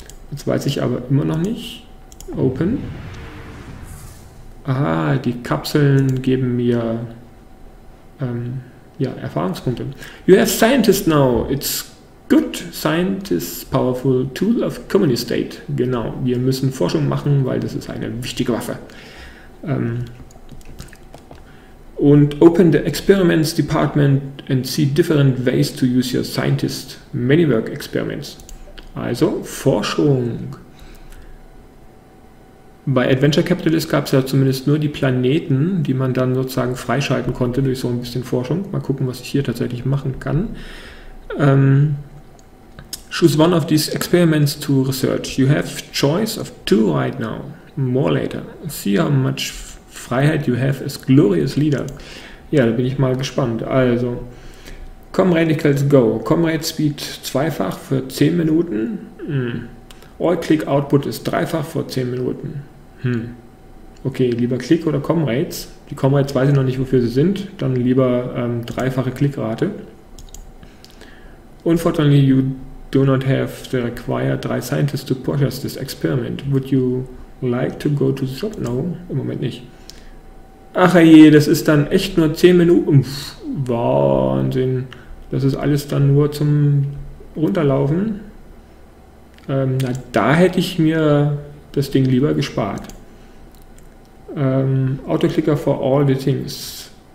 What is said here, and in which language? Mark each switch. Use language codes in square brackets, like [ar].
[de] Jetzt weiß ich aber immer noch nicht. Open. Aha, die Kapseln geben mir Erfahrungspunkte. [en] You have scientist now. It's good. Scientist, powerful tool of community state. [de] Genau, wir müssen Forschung machen, weil das ist eine wichtige Waffe. [en] Und open the experiments department and see different ways to use your scientist many work experiments. [de] Also, Forschung. Bei Adventure Capitalist gab es ja zumindest nur die Planeten, die man dann sozusagen freischalten konnte durch so ein bisschen Forschung. Mal gucken, was ich hier tatsächlich machen kann. [en] Choose one of these experiments to research. You have choice of two right now. More later. See how much Freiheit you have as glorious leader. [de] Ja, da bin ich mal gespannt. Also, Comrade Equals Go. Comrade Speed zweifach für 10 Minuten. All Click Output ist dreifach vor 10 Minuten. Okay, lieber Click oder Comrades? Die Comrades weiß ich noch nicht, wofür sie sind. Dann lieber dreifache Klickrate. [en] Unfortunately, you do not have the required 3 scientists to push us this experiment. Would you like to go to the shop? [de] No, im Moment nicht. Ach je, das ist dann echt nur 10 Minuten. Pff, Wahnsinn. Das ist alles dann nur zum Runterlaufen. Na, da hätte ich mir das Ding lieber gespart. [en] Autoclicker for all the things.